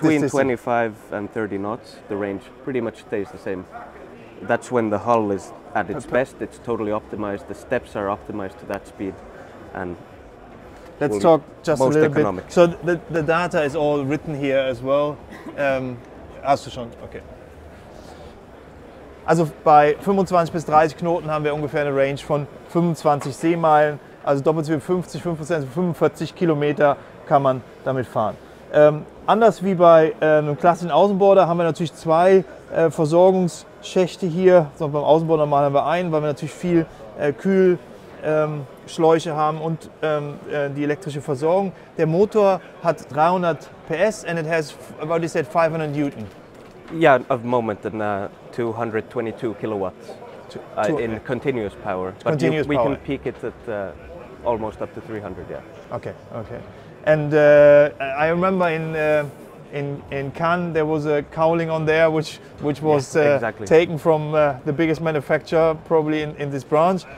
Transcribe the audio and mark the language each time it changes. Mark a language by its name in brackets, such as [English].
[English] between 25 and 30 knots, the range pretty much stays the same. That's when the hull is at its best. It's totally optimized. The steps are optimized to that speed. And let's talk just a little bit. So the data is all written here as well. [German] Hast du schon? Okay. Also bei 25 bis 30 Knoten haben wir ungefähr eine Range von 25 Seemeilen. Also doppelt so wie 50, 5%, 45 Kilometer kann man damit fahren. Anders wie bei einem klassischen Außenborder haben wir natürlich zwei Versorgungsschächte hier. So, beim Außenborder mal haben wir einen, weil wir natürlich viel Kühlschläuche haben und die elektrische Versorgung. Der Motor hat 300 PS [English] and it has about 500 Newton. Yeah, at the moment, 222 kilowatts in continuous power. Continuous power. We can peak it at almost up to 300, yeah. Okay. And I remember in Cannes there was a cowling on there which was taken from the biggest manufacturer probably in this branch.